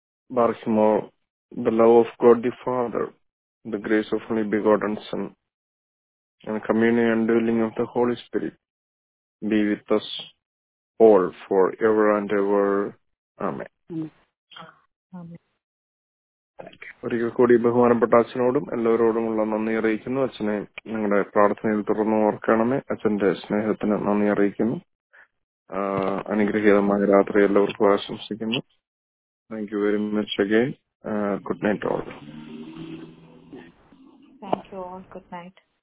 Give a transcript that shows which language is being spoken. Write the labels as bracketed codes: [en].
[en] Barakimo, the love of God the Father, the grace of Holy Begotten Son, and communion and dwelling of the Holy Spirit be with us all forever and ever. Amen. [ml] ഒരിക്കൽ കൂടി ബഹുമാനപ്പെട്ട അച്ഛനോടും എല്ലാവരോടുമുള്ള നന്ദി അറിയിക്കുന്നു. അച്ഛനെ ഞങ്ങളുടെ പ്രാർത്ഥനയിൽ തുടർന്ന് ഓർക്കണമേ. അച്ഛന്റെ സ്നേഹത്തിന് നന്ദി അറിയിക്കുന്നു. അനുഗ്രഹീതമായ രാത്രി എല്ലാവർക്കും ആശംസിക്കുന്നു. [en] Thank you very much again. Good night all. Thank you all. Good night.